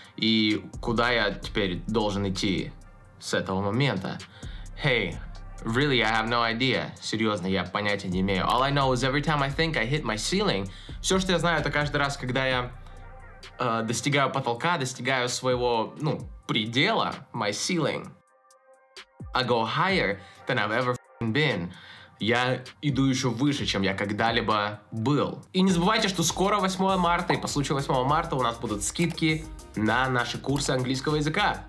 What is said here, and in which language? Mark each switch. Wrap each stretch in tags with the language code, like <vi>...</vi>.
<ru>И куда я теперь должен идти с этого момента?</ru> <en>Hey, really, I have no idea.</en> <ru>Серьезно, я понятия не имею.</ru> <en>All I know is every time I think I hit my ceiling.</en> <ru>Все, что я знаю, это каждый раз, когда я достигаю потолка, достигаю своего, ну, предела,</ru> <en>my ceiling, I go higher than I've ever f***ing been.</en> <ru>Я иду еще выше, чем я когда-либо был. И не забывайте, что скоро 8 марта, и по случаю 8 марта у нас будут скидки на наши курсы английского языка.</ru>